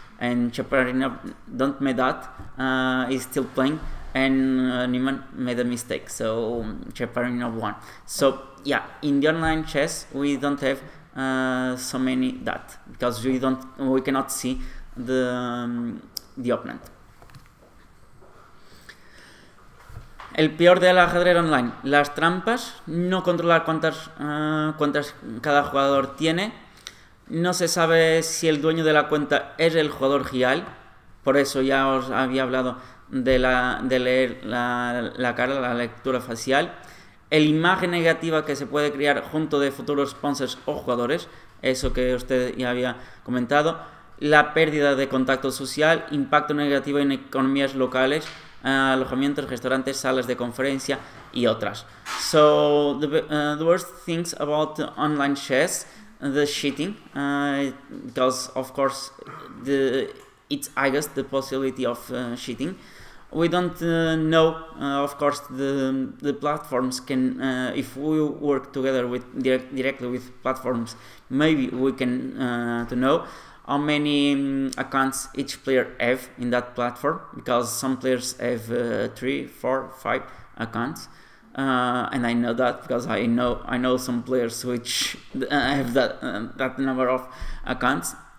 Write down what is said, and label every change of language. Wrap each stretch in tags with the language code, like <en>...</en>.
<en>And Cheparinov don't make that. He's still playing, and Niemann made a mistake. So Cheparinov won. So yeah, in the online chess, we don't have so many that, because we cannot see the opponent.</en> <es>El peor del ajedrez online, las trampas, no controlar cuántas cada jugador tiene, no se sabe si el dueño de la cuenta es el jugador real, por eso ya os había hablado de leer la cara, la lectura facial. La imagen negativa que se puede crear junto de futuros sponsors o jugadores, eso que usted ya había comentado, la pérdida de contacto social, impacto negativo en economías locales, alojamientos, restaurantes, salas de conferencia y otras.</es> <en>So the worst things about online chess, the cheating, because of course it's the possibility of cheating. We don't know, of course, the platforms can, if we work together with directly with platforms, maybe we can to know how many accounts each player have in that platform, because some players have 3, 4, 5 accounts, and I know that because I know some players which have that number of accounts.</en>